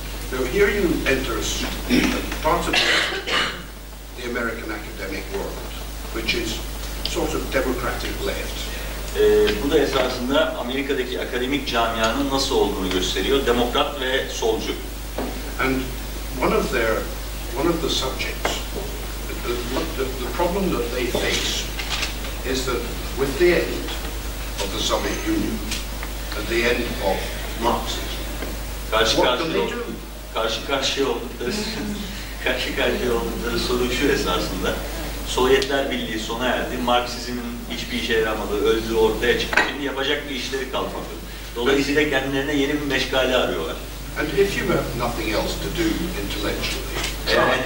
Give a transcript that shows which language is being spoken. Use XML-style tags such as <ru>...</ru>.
<en>So here you enter part of the American academic world, which is sort of democratic left.</en> <tr>Bu da esasında Amerika'daki akademik camianın nasıl olduğunu gösteriyor, demokrat ve solcu.</tr> <en>And one of the subjects, the problem that they face is that with the end of the Soviet Union and the end of Marxism,</en> <tr>karşı karşıya oldukları soru şu esasında. Sovyetler Birliği sona erdi, Marksizmin hiçbir işe yaramadı, öldü, ortaya çıktı. Şimdi yapacak bir işleri kalmadı. Dolayısıyla kendilerine yeni bir meşgale arıyorlar.</tr> <en>And if you have nothing else to do intellectually,</en>